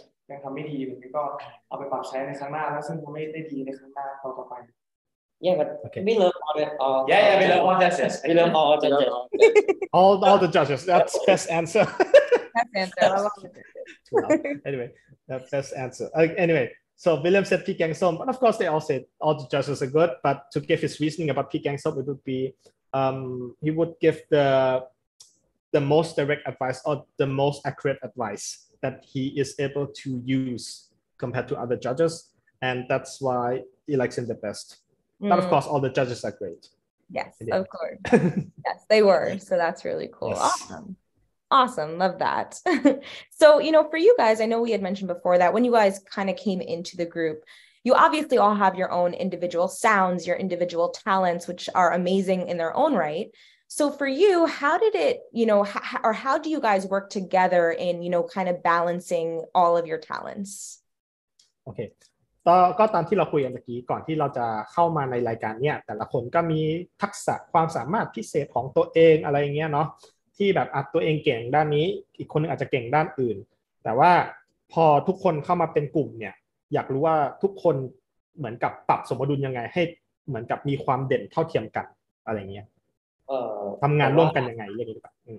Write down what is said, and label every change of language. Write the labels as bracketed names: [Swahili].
[Thai] ยังทำไม่ดีแบบนี้ก็เอาไปปรับใช้ในครั้งหน้าแล้วซึ่งก็ไม่ได้ดีในครั้งหน้าต่อไป [English] Yeah but okay. we love all the Yeah yeah we love all judges we love all judges all the judges that's best answer best answer I love the judges anyway that's best answer anyway so William said Pi Kang Som but of course they all said all the judges are good but to give his reasoning about Pi Kang Som it would be he would give the most direct advice or the most accurate adviceThat he is able to use compared to other judges, and that's why he likes him the best. Mm. But of course, all the judges are great. Yes, of course. Yes, they were. So that's really cool. Yes. Awesome, awesome. Love that. So you know, for you guys, I know we had mentioned before that when you guys kind of came into the group, you obviously all have your own individual sounds, your individual talents, which are amazing in their own right. So for you, how did it, you know, or how do you guys work together in, you know, kind of balancing all of your talents? Okay. [Thai] ตอนก็ตอนที่เราคุยกันเมื่อกี้ก่อนที่เราจะเข้ามาในรายการเนี่ยแต่ละคนก็มีทักษะความสามารถพิเศษของตัวเองอะไรเงี้ยเนาะที่แบบอัดตัวเองเก่งด้านนี้อีกคนนึงอาจจะเก่งด้านอื่นแต่ว่าพอทุกคนเข้ามาเป็นกลุ่มเนี่ยอยากรู้ว่าทุกคนเหมือนกับปรับสมดุลยังไงให้เหมือนกับมีความเด่นเท่าเทียมกันอะไรเงี้ยทำงานร่วมกันยังไงเรื่องนี้ป่ะ